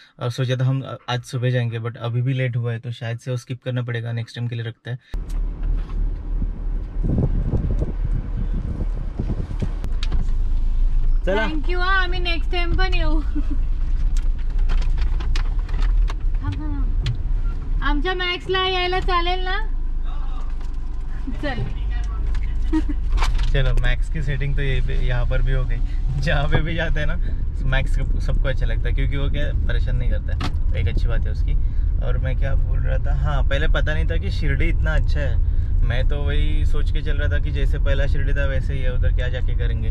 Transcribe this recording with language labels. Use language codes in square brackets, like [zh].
[hi] और सोचा था हम आज सुबह जाएंगे, बट अभी भी लेट हुआ है तो शायद से वो स्किप करना पड़ेगा, नेक्स्ट टाइम के लिए रखते हैं। [mr] Thank you, I next time पण येऊ। आमच्या मॅक्सला यायला चालेल ना? चल [hi] चलो, मैक्स की सेटिंग तो यहाँ पर भी हो गई। जहाँ पे भी जाते हैं ना, मैक्स सबको अच्छा लगता है क्योंकि वो क्या परेशान नहीं करता है, एक अच्छी बात है उसकी। और मैं क्या बोल रहा था, हाँ पहले पता नहीं था कि शिरडी इतना अच्छा है। मैं तो वही सोच के चल रहा था कि जैसे पहला शिरडी था वैसे ही है, उधर क्या जाके करेंगे।